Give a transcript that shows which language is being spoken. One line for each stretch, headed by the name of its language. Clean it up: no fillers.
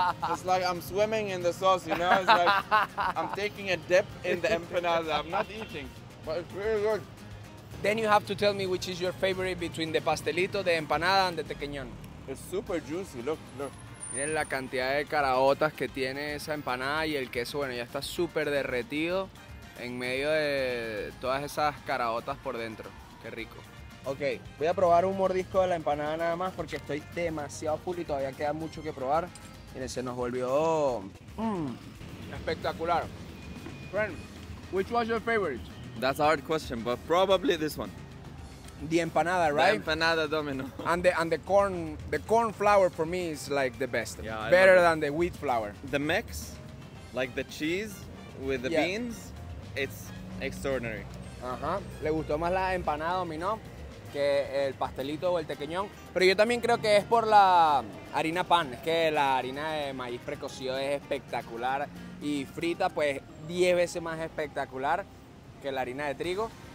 English: It's like I'm swimming in the sauce, you know? It's like I'm taking a dip in the empanada. I'm not eating, but it's really good. Then you have to tell me which is your favorite between the pastelito, the empanada, and the tequeñón. It's super juicy, look, look.
Spanish: Miren la cantidad de caraotas que tiene esa empanada y el queso, bueno, ya está súper derretido en medio de todas esas caraotas por dentro. Qué rico. Ok, voy a probar un mordisco de la empanada nada más porque estoy demasiado full y todavía queda mucho que probar. Miren, se nos volvió... Espectacular.
English: Friend, which was your favorite? That's a hard question, but probably this one. The empanada, right? The empanada domino. And the corn flour for me is like the best. Yeah, better than the wheat flour. The mix, like the cheese with the beans, it's extraordinary. Ajá.
Spanish: Le gustó más la empanada domino que el pastelito o el tequeñón. Pero yo también creo que es por la harina pan. Es que la harina de maíz precocido es espectacular. Y frita, pues, 10 veces más espectacular que la harina de trigo.